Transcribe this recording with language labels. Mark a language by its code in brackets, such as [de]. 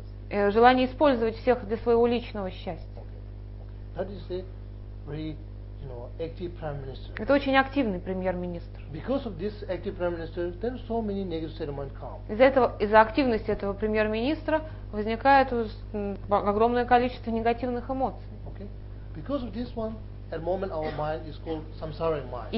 [ru] Желание использовать всех для своего личного счастья. [en] That is a very, you know, active prime minister. [ru] Это очень активный премьер-министр. [en] Because of this active prime minister, then so many negative sentiments come. [ru] Из-за активности этого премьер-министра возникает огромное количество негативных эмоций. [en] Okay. Because of this one, at the moment our mind is called samsara mind.